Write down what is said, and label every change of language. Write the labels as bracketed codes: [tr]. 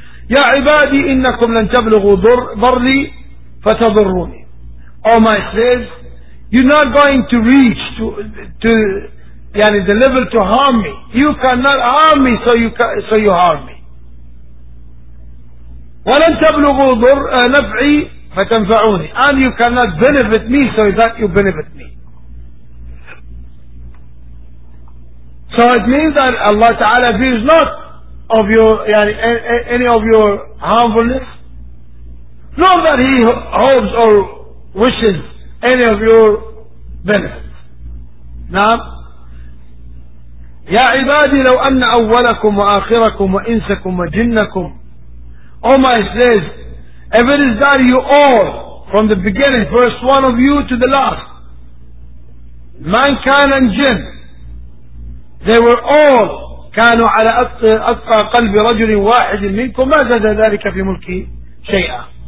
[ar] يَا عِبَادِي إِنَّكُمْ لَنْ تَبْلُغُوا ضَرْلِي فَتَضُرُّونِي. [en] Oh my slaves, you're not going to reach to يعني delivered to harm me. You cannot harm me, so you harm me. [ar] ولن تبلغوا ضر نفعي فتنفعوني. [en] And you cannot benefit me, so that you benefit me. So it means that Allah Ta'ala views not of your, يعني, any of your harmfulness, nor that He hopes or wishes any of your benefits. [ar] نعم. يا عبادي لو أن أولكم وآخركم وإنسكم وجنكم. [en] Oh my slaves, if it is that you all, from the beginning, first one of you to the last, mankind and jinn, they were all [ar] كانوا على أتقى قلب رجل واحد منكم ما زاد ذلك في ملكي شيئا.